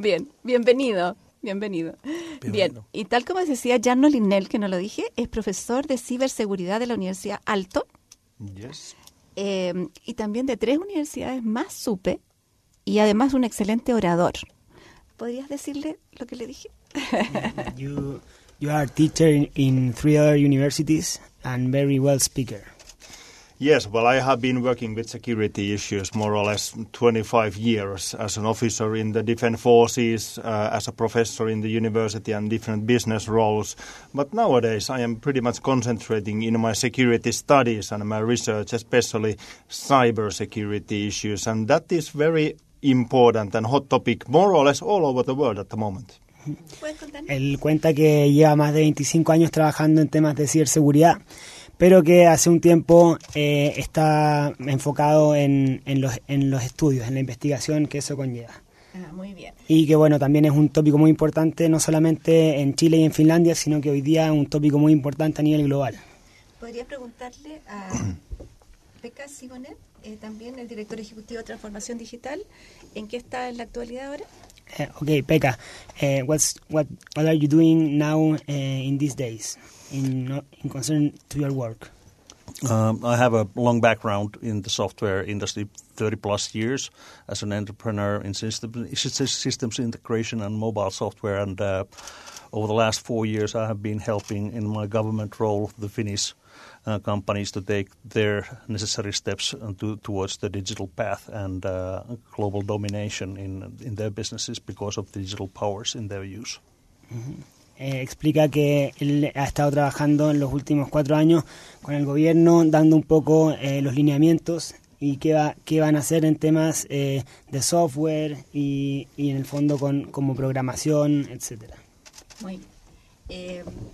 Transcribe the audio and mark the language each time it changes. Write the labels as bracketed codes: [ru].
[es] Bien, bienvenido. Bien, y tal como decía Jarno Linnell, que no lo dije, es profesor de ciberseguridad de la Universidad Aalto. [en] Yes. [es] Y también de tres universidades más SUPE, y además un excelente orador. ¿Podrías decirle lo que le dije? [en] you are teacher in three other universities and very well speaker. Yes, well, I have been working with security issues more or less 25 years as an officer in the defense forces, as a professor in the university and different business roles. But nowadays, I am pretty much concentrating in my security studies and my research, especially cybersecurity issues. And that is very important and hot topic more or less all over the world at the moment. [es] Él cuenta que lleva más de 25 años trabajando en temas de ciberseguridad. pero que hace un tiempo está enfocado en los estudios, en la investigación que eso conlleva. Muy bien. Y que bueno, también es un tópico muy importante, no solamente en Chile y en Finlandia, sino que hoy día es un tópico muy importante a nivel global. Podría preguntarle a Pekka Sigonen, también el director ejecutivo de Transformación Digital, ¿en qué está en la actualidad ahora? [en] Okay, Pekka, what are you doing now in these days in concern to your work? I have a long background in the software industry, 30-plus years as an entrepreneur in systems integration and mobile software. And over the last 4 years, I have been helping in my government role the Finnish companies to take their necessary steps towards the digital path and global domination in their businesses because of digital powers in their use. Mm-hmm. [es] Explica que él ha estado trabajando en los últimos 4 años con el gobierno, dando un poco los lineamientos y qué van a hacer en temas de software y en el fondo con como programación, etcétera. Muy bien.